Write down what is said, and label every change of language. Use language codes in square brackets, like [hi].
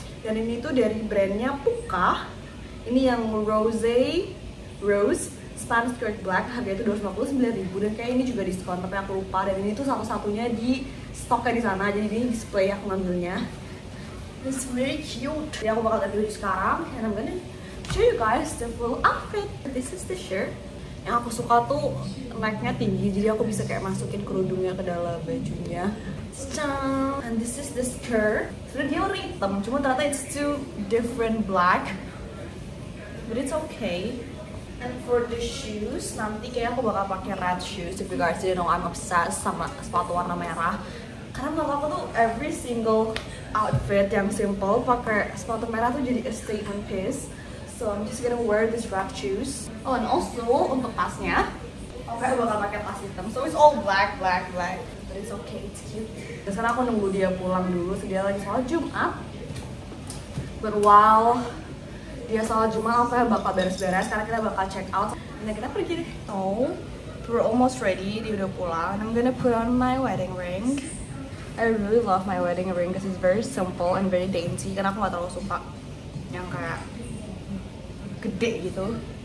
[id] Dan ini tuh dari brandnya Puka. Ini yang Rose Rose span skirt black, harganya tuh Rp259.000. Dan kayak ini juga diskon tapi aku lupa. Dan ini tuh satu-satunya di stoknya di sana. Jadi ini display aku ngambilnya. [en] It's very cute. [id] Jadi aku bakal review sekarang. [en] And I'm gonna show you guys the full outfit. This is the shirt. [id] Yang aku suka tuh necknya tinggi, jadi aku bisa kayak masukin kerudungnya ke dalam bajunya. [en] And this is the skirt. [id] Sebenernya dia warna hitam, cuma ternyata [en] it's too different black. But it's okay. And for the shoes, [id] nanti kayak aku bakal pakai [en] red shoes. If you guys didn't know, I'm obsessed [id] sama sepatu warna merah. Karena menurut aku tuh [en] every single outfit [id] yang simple pakai sepatu merah tuh jadi [en] a statement piece. So I'm just gonna wear this red shoes. Oh, and also [id] untuk tasnya, aku bakal pakai tas hitam. [en] So it's all black. But it's okay, it's cute. [id] Dan sekarang aku nunggu dia pulang dulu, so dia lagi sholat Jumat. [en] But while [id] dia sholat Jumat, aku bakal beres-beres. Sekarang kita bakal check out. [en] And then [id] kita pergi deh. [en] Oh, we're almost ready, [id] dia udah pulang. [en] And I'm gonna put on my wedding ring. I really love my wedding ring because it's very simple and very dainty. [id] Karena aku gak terlalu suka yang kayak gede gitu.